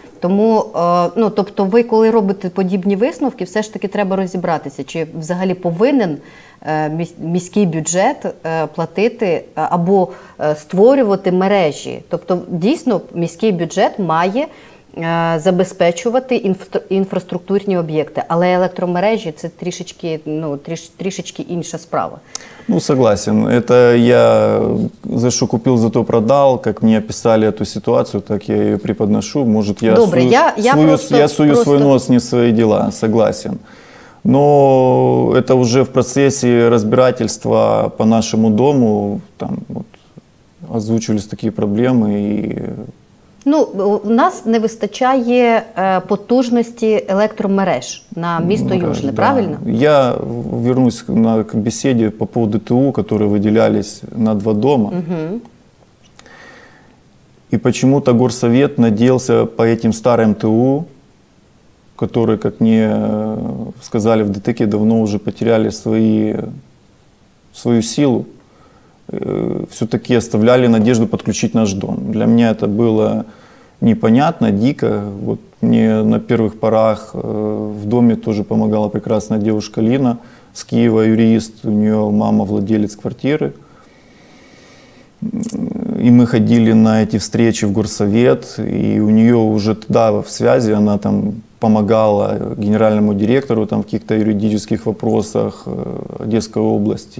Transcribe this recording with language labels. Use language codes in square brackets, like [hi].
[uk] Тому, ну, тобто ви, коли робите подібні висновки, все ж таки треба розібратися, чи взагалі повинен міський бюджет платити або створювати мережі. Тобто, дійсно, міський бюджет має забезпечувати інфраструктурні об'єкти. Але електромережі – це трішечки, ну, трішечки інша справа. [ru] Ну, согласен. Это я за что купил, за то продал. Как мне описали эту ситуацию, так я ее преподношу. Может, я свой нос не в свои дела. Согласен. Но это уже в процессе разбирательства по нашему дому. Там вот, озвучивались такие проблемы. И... [uk] Ну, у нас не вистачає потужності електромереж на місто Южне, правильно? [ru] Я вернусь [uk] на беседі [ru] по поводу [uk] ТУ, які виділялись на два дома. І чому-то горсовет надіявся по цим старим ТУ, які, як мені сказали в ДТК, давно вже [ru] потеряли свою силу. Все-таки оставляли надежду подключить наш дом. [uk] Для мене це було [ru] непонятно, дико. Вот мне на первых порах в доме тоже помогала прекрасная девушка Лина, с Киева, юрист, у нее мама владелец квартиры. И мы ходили на эти встречи в горсовет, и у нее уже тогда в связи, она там помогала генеральному директору там в каких-то юридических вопросах Одесской области.